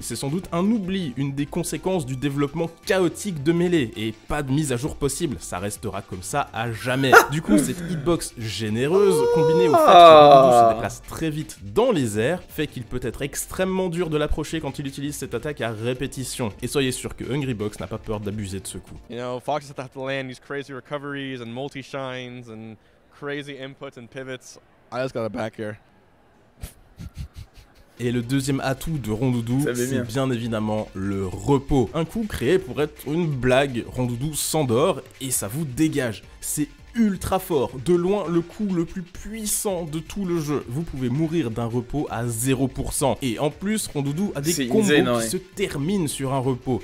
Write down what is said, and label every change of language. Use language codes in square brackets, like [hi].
[fr] C'est sans doute un oubli, une des conséquences du développement chaotique de Melee, et pas de mise à jour possible, ça restera comme ça à jamais. Du coup, cette hitbox généreuse, combinée au fait que Rondoudou se déplace très vite dans les airs, fait qu'il peut être extrêmement dur de l'approcher quand il utilise cette attaque à répétition. Et soyez sûr que Hungrybox n'a pas peur d'abuser de ce coup. [en] You know, Fox has to land these crazy recoveries and multi-shines and crazy inputs and pivots. I just got a back air. [fr] Et le deuxième atout de Rondoudou, c'est bien évidemment le repos. Un coup créé pour être une blague. Rondoudou s'endort et ça vous dégage. C'est ultra fort, de loin le coup le plus puissant de tout le jeu. Vous pouvez mourir d'un repos à 0%. Et en plus, Rondoudou a des combos qui se terminent sur un repos.